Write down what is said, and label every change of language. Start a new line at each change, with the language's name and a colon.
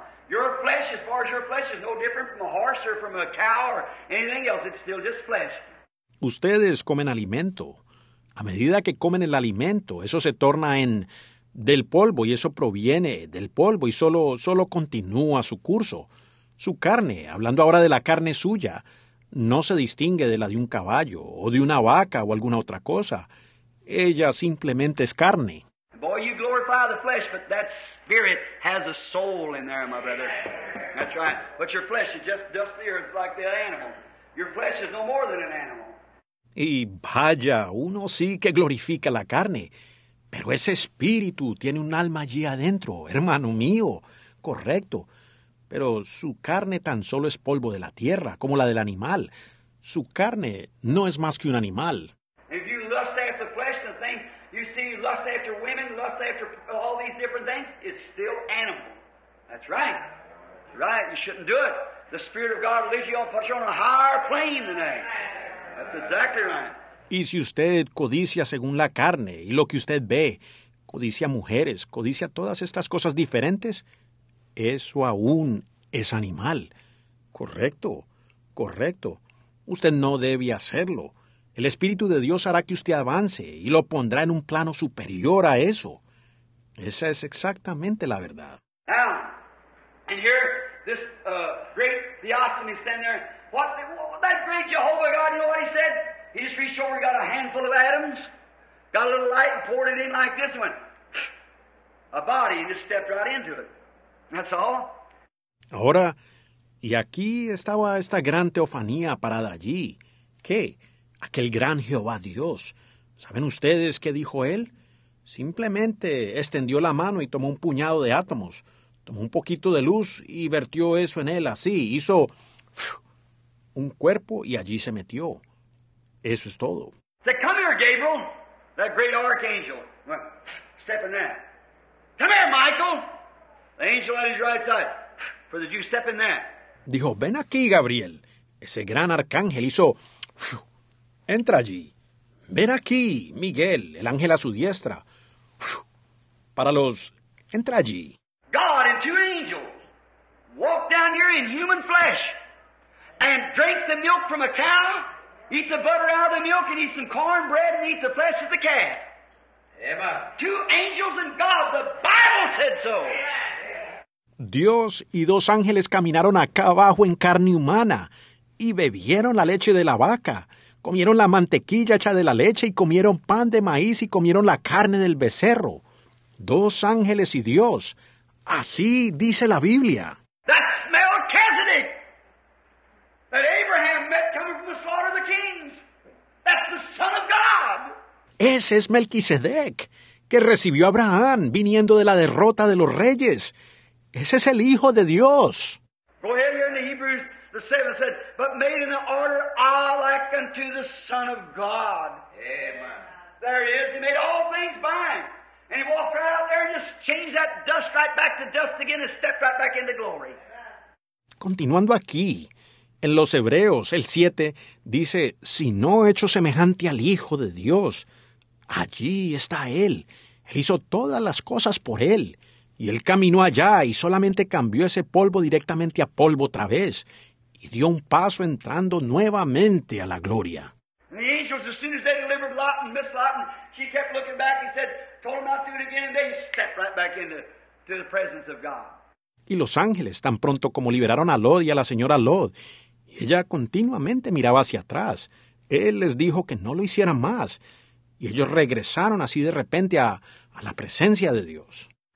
English: Your flesh, as far as your flesh, is no different from a horse or from a cow or anything else. It's still just flesh.
Spanish: Ustedes comen alimento. A medida que comen el alimento, eso se torna en del polvo y eso proviene del polvo y solo continúa su curso. Su carne, hablando ahora de la carne suya, no se distingue de la de un caballo o de una vaca o alguna otra cosa. Ella simplemente es carne.
English: Boy, you glorify the flesh, but that spirit has a soul in there, my brother. That's right. But your flesh is just dust the earth like the animal. Your flesh is no more than an animal.
Spanish: Y vaya, uno sí que glorifica la carne, pero ese espíritu tiene un alma allí adentro, hermano mío. Correcto. Pero su carne tan solo es polvo de la tierra, como la del animal. Su carne no es más que un animal.
English: If you lust after the flesh, the thing, you see, you lust after women, lust after all these different things, it's still animal. That's right. That's right. You shouldn't do it. The Spirit of God leads you on, puts you on a higher plane than that. That's exactly right.
Spanish: Y si usted codicia según la carne y lo que usted ve, codicia mujeres, codicia todas estas cosas diferentes, eso aún es animal. Correcto, correcto. Usted no debe hacerlo. El Espíritu de Dios hará que usted avance y lo pondrá en un plano superior a eso. Esa es exactamente la verdad.
English: Now, and here, this great Theosophy stand there. What that great Jehovah God, you know what he said? He just reached over, got a handful of atoms, got a little light and poured it in like this one. A body, and just stepped right into it. That's all.
Spanish: Ahora, y aquí estaba esta gran teofanía parada allí. ¿Qué? Aquel gran Jehová Dios. ¿Saben ustedes qué dijo él? Simplemente extendió la mano y tomó un puñado de átomos. Tomó un poquito de luz y vertió eso en él así. Hizo un cuerpo y allí se metió. Eso es todo.
English: Come here, Gabriel, that great archangel. Step in that. Come here, Michael. The angel on his right side, for the Jew, step in that.
Spanish: Dijo, ven aquí, Gabriel. Ese gran arcángel hizo, entra allí. Ven aquí, Miguel, el ángel a su diestra. Para los, entra allí.
English: God and two angels walk down here in human flesh and drink the milk from a cow, eat the butter out of the milk, and eat some cornbread and eat the flesh of the calf. Emma. Two angels and God, the Bible said so.
Spanish: Dios y dos ángeles caminaron acá abajo en carne humana y bebieron la leche de la vaca, comieron la mantequilla hecha de la leche y comieron pan de maíz y comieron la carne del becerro. Dos ángeles y Dios. Así dice la Biblia.
English: That's Melchizedek that Abraham met coming from the slaughter of the kings. That's the Son of God.
Spanish: Ese es Melquisedec que recibió a Abraham viniendo de la derrota de los reyes. Ese es el Hijo de Dios.
English: Go ahead here in the Hebrews, the 7 said, but made in the order like unto the Son of God. Amen. There he is. He made all things by him. And he walked right out there and just changed that dust right back to dust again and stepped right back into glory.
Spanish: Continuando aquí, en los Hebreos, el 7, dice, si no hecho semejante al Hijo de Dios, allí está él. Él hizo todas las cosas por él. Y él caminó allá y solamente cambió ese polvo directamente a polvo otra vez y dio un paso entrando nuevamente a la gloria.
English: And the angels, as soon as they delivered Lot and Miss Lot, and she kept looking back and said, told them not to do it again, and they stepped right back into the presence of God.
Spanish: Y los ángeles, tan pronto como liberaron a Lot y a la señora Lot, y ella continuamente miraba hacia atrás, él les dijo que no lo hicieran más, y ellos regresaron así de repente a la presencia de Dios.